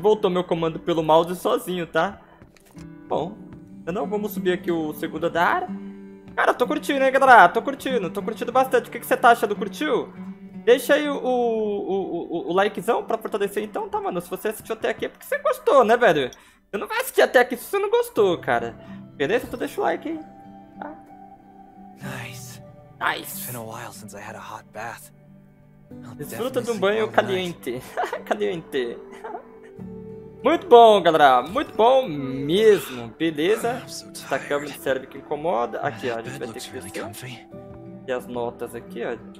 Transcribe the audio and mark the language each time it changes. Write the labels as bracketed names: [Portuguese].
[Portuguese] Voltou meu comando pelo mouse sozinho, tá? Bom, então vamos subir aqui o segundo andar. Cara, tô curtindo, hein, galera? Tô curtindo bastante. O que você tá achando? Curtiu? Deixa aí o likezão pra fortalecer então, tá, mano? Se você assistiu até aqui é porque você gostou, né, velho? Você não vai assistir até aqui se você não gostou, cara. Beleza? Então deixa o like, hein? Tá? [English] Nice. It's been a while since I had a hot bath. [Portuguese] Desfruta de um banho caliente. Caliente. Muito bom, galera. Muito bom mesmo. Beleza. Essa cama de cérebro que incomoda. Aqui, ó. A gente vai ter que descer. E as notas aqui, ó.